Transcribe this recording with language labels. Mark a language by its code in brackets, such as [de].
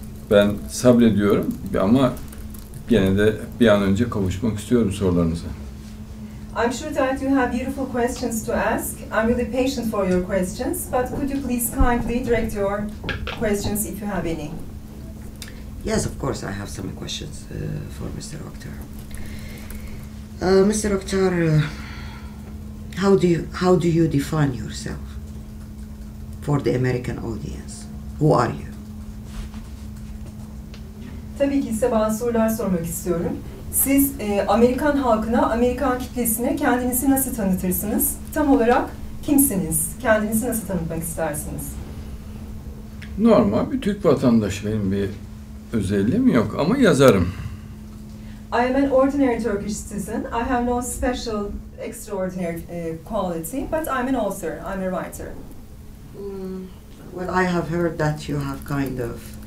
[tr] Ben sabrediyorum ama gene de bir an önce kavuşmak istiyorum sorularınıza. [en] I'm sure that you have beautiful questions to ask. I'm really patient for your questions, but could you please kindly direct your questions if you have any? Yes, of course I have some questions for Mr. Oktar. Mr. Oktar, how do you define yourself for the American audience? Who are you? [tr] Tabii ki size bazı sorular sormak istiyorum. Siz Amerikan halkına, Amerikan kitlesine kendinizi nasıl tanıtırsınız? Tam olarak kimsiniz? Kendinizi nasıl tanıtmak istersiniz? Normal bir Türk vatandaşı, benim bir özelliğim yok ama yazarım. [en] I am an ordinary Turkish citizen. I have no special extraordinary quality, but I'm an author. I'm a writer. Well, I have heard that you have kind of...